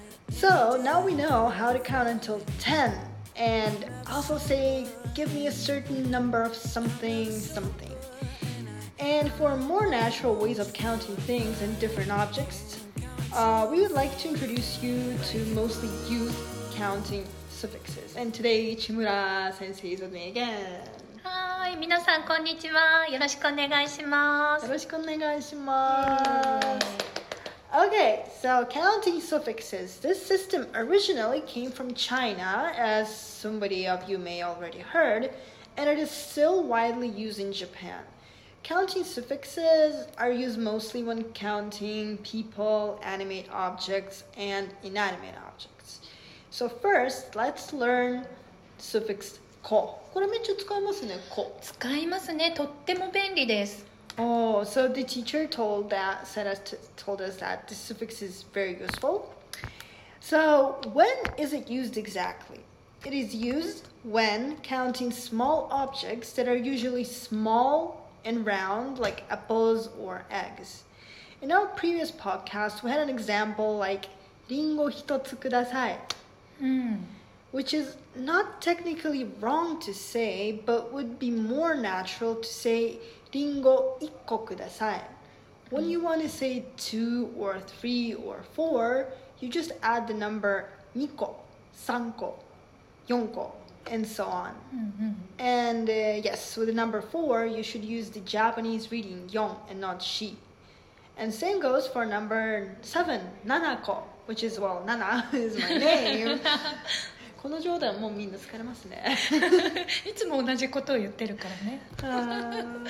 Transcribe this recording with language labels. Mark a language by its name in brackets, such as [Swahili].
[English] So now we know how to count until 10 and also say give me a certain number of something something. And for more natural ways of counting things and different objects, we would like to introduce you to mostly youth counting suffixes. And today, Chimura sensei is with me again. [Japanese] Hi, 皆さんこんにちは。よろしくお願いします。よろしくお願いします。 [English] Okay, so counting suffixes. This system originally came from China, as somebody of you may already heard, and it is still widely used in Japan. Counting suffixes are used mostly when counting people, animate objects, and inanimate objects. So first, let's learn suffix ko. [Japanese] これめっちゃ使いますね、ko. 使いますね、とっても便利です。 [English] Oh, so the teacher told us that the suffix is very useful. So when is it used exactly? It is used when counting small objects that are usually small and round, like apples or eggs. In our previous podcast, we had an example like [Japanese] Ringo hitotsu kudasai, [English] which is not technically wrong to say, but would be more natural to say [Japanese] Ringo ikko kudasai. [English] When you want to say two or three or four, you just add the number niko, sanko. 4個 and so on. Mm-hmm. And yes, with the number 4, you should use the Japanese reading 4 and not she. And same goes for number 7, 7個, which is, well, 7 is my name. [Japanese] この冗談もうみんな疲れますね。いつも同じことを言ってるからね。